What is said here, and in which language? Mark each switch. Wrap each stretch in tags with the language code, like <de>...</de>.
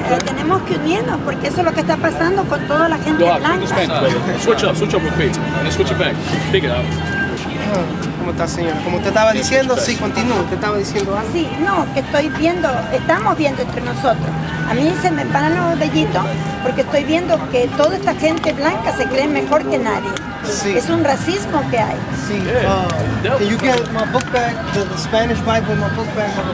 <es>tenemos que unirnos, porque eso es lo que está pasando con toda la gente blanca.</es> <en>Switch up real quick, and then switch it back, speak it out.</en> <es>¿Cómo está, señora? Como usted estaba diciendo, sí, continúo. ¿Usted estaba diciendo algo? Sí, no, que estoy viendo, estamos viendo entre nosotros. A mí se me paran los vellitos porque estoy viendo que toda esta gente blanca se cree mejor que nadie. Sí. Es un racismo que hay. Sí.</es> <en>Can you get my book back, the Spanish Bible, my book back, my</en>